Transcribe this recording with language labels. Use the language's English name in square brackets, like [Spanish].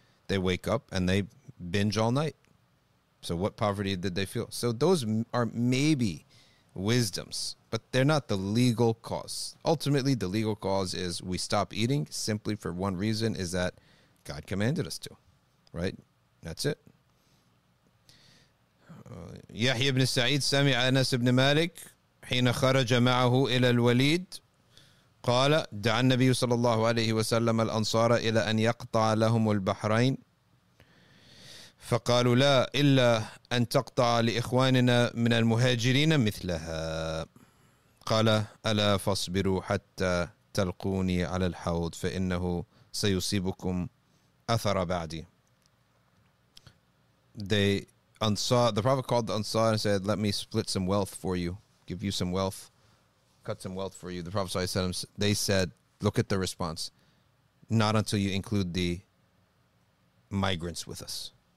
[English] They wake up and they binge all night. So what poverty did they feel? So those are maybe wisdoms, but they're not the legal cause. Ultimately, the legal cause is we stop eating simply for one reason, is that God commanded us to, right? That's it. [Arabic] Yahya ibn Sa'id sami'a Anas ibn Malik hina kharaja ma'ahu ila al-walid قال دعا النبي صلى الله عليه وسلم الأنصار إلى أن يقطع لهم البحرين فقالوا لا إلا أن تقطع لإخواننا من المهاجرين مثلها قال ألا فاصبروا حتى تلقوني على الحوض فإنه سيصيبكم أثر بعدي. [English] The Prophet called the Ansar and said, let me split some wealth for you, give you some wealth, cut some wealth for you. The Prophet ﷺ, they said, look at the response. Not until you include the migrants with us.